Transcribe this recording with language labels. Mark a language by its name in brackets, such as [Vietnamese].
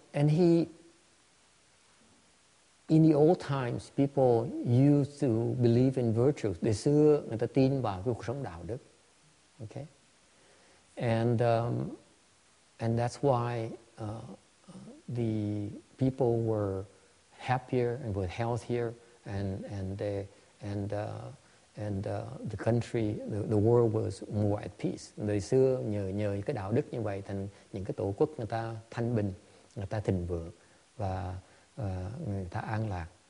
[English] And he, in the old times, people used to believe in virtues. [Vietnamese] Đời xưa người ta tin vào cái cuộc sống đạo đức. Okay. [English] And that's why the people were happier and were healthier, and the country, the world was more at peace. [Vietnamese] Đời xưa nhờ cái đạo đức như vậy thành những cái tổ quốc người ta thanh bình, người ta thịnh vượng và người ta an lạc.